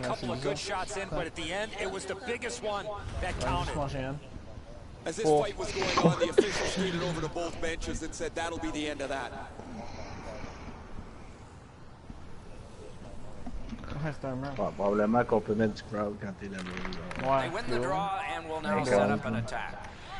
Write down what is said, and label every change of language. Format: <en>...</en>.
<en>Both those players got a couple of good shots in, but at the end, it was the biggest one that counted. Ouais, as this fight was going on, the officials skated over to both benches and said that'll be the end of that.</en> <fr>Probablement qu'on peut mettre du crowd quand t'es là-bas. Ouais,</fr> <en>they win the draw and will now set up an attack.</en>